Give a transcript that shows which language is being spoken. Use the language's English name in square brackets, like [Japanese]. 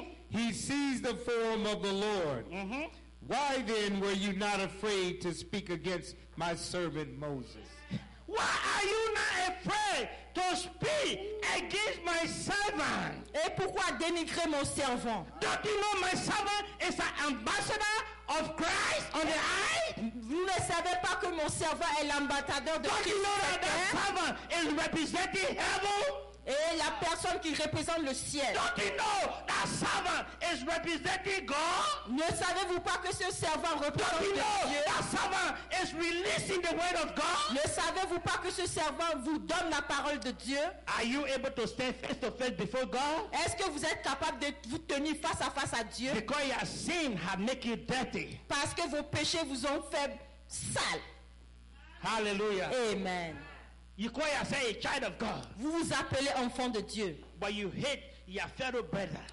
[English] He sees the form of the Lord. Why then were you not afraid to speak against my servant Moses? Why are you not afraid to speak against my servant? [French] Et pourquoi dénigrer mon servant? [English] Don't you know my servant is an ambassador of Christ on the high? [French] Vous ne savez pas que mon serviteur est l'ambassadeur de Christ. [English] Don't you know that that servant is representing heaven? [French] Et la personne qui représente le ciel. [English] Don't you know that servant is representing God? [French] Ne savez-vous pas que ce servant représente Dieu? [English] Don't you know that servant is releasing the word of God? [French] Ne savez-vous pas que ce servant vous donne la parole de Dieu? [English] Are you able to stand face to face before God? [French] Est-ce que vous êtes capable de vous tenir face à face à Dieu? [English] Because your sin have make you dirty. [French] Parce que vos péchés vous ont fait sale. [English] Hallelujah. Amen. You call yourself a child of God. [French] Vous vous appelez enfant de Dieu. [English] But you hate your fellow brother.